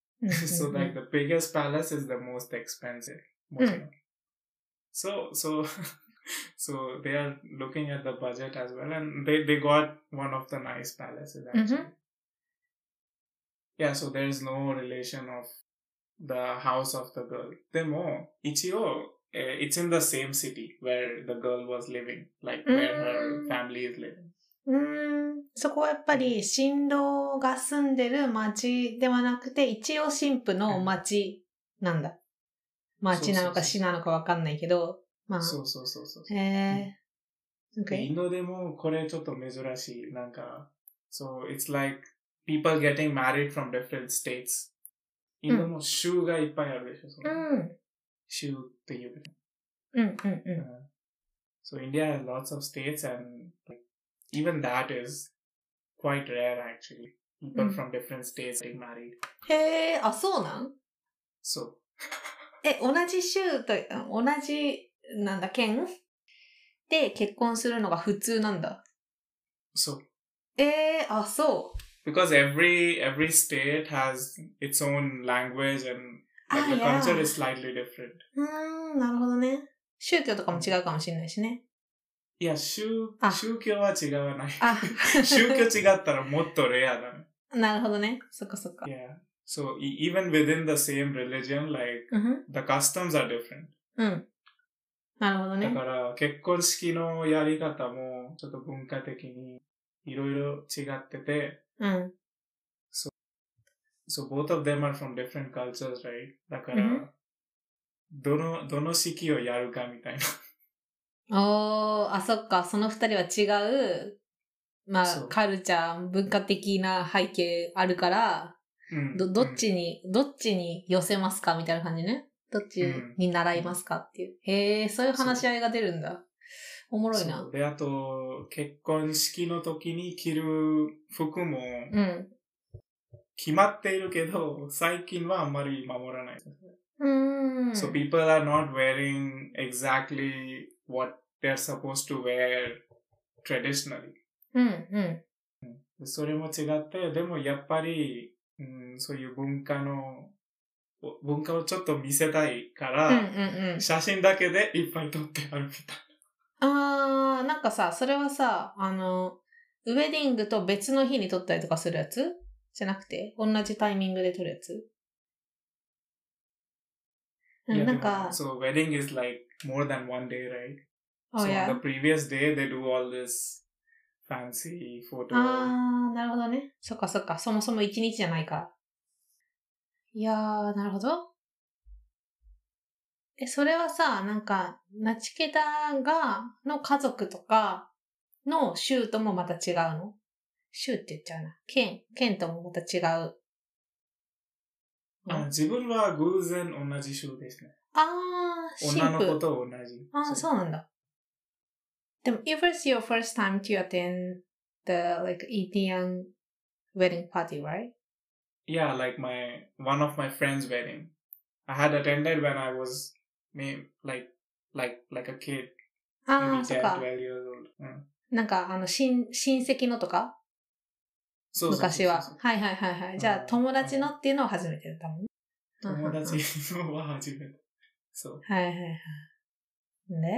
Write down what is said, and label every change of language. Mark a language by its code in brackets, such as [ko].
[en] So like the biggest palace is the most expensive. So they are looking at the budget as well, and they got one of the nice palaces actually. Yeah, so there is no relation of the house of the girl. [ja] Demo, ichio, [en] it's in the same city where the girl was living, like where her family is living. [ja] そこはやっぱり新郎が住んでる町ではなくて、一応新婦の町なんだ。町なのか市なのかわかんないけど。まあ、そう。へぇ、 [en] okay. [ja] インドでもこれちょっと珍しい。なんか、 [en] so it's like people getting married from different states. [ja] インドも州がいっぱいあるでしょ。州っていう。 [en] So India has lots of states and like, even that is quite rare actually. People from different states getting married. [ja] へぇ、あ、そうなん？そう。え、同じ州と、同じ、なんだ、県で結婚するのが普通なんだ。そう。あ、そう。 [en] Because every state has its own language and like, the culture is slightly different. [ja] なるほどね。宗教とかも違うかもしれないしね。いや、宗教は違わない。宗教違ったらもっとレアだね。なるほどね。そっかそっか。 [en] Yeah. So, even within the same religion, like, the customs are different. [ja] なるほどね。だから、結婚式のやり方も、ちょっと文化的に、いろいろ違ってて。 [en] So, both of them are from different cultures, right? [ja] だから、どの式をやるかみたいな。おー、あ、そっか。その二人は違う、まあ、カルチャー、文化的な背景あるから、どっちに寄せますかみたいな感じね。どっちに習いますかっていう。へえ、そういう話し合いが出るんだ。おもろいな。で、あと、結婚式の時に着る服も、決まっているけど、最近はあんまり守らない。 [en] So people are not wearing exactly what they're supposed to wear traditionally. [ja] それも違って、でもやっぱり、そういう文化をちょっと見せたいから、写真だけでいっぱい撮ってあるみたいな。あー、なんかさ、それはさ、あの、ウェディングと別の日に撮ったりとかするやつじゃなくて、同じタイミングで撮るやつ、 [en] yeah, [ja] なんか。 [en] So, wedding is like more than one day, right? So, on the previous day, they do all this fancy photo. [ja] あー、なるほどね。そっかそっか、そもそも一日じゃないか。いやー、なるほど。え、それはさ、なんか、ナチケタが、の家族とか、の州ともまた違うの？州って言っちゃうな。県ともまた違う。あ、自分は偶然同じ州ですね。あー、新婦。女の子と同じ。あー、そうなんだ。でも、 [en] if it's your first time to attend the, like, Indian wedding party, right? Yeah, like one of my friend's wedding. I had attended when I was like a kid. Maybe 10, 12 years old. [ja] なんか、あの、親戚のとか？そうそうそうそう。昔は。はいはいはいはい。じゃあ、友達のっていうのは初めてだったもん。友達のは初めて。そう。はいはいはい。で？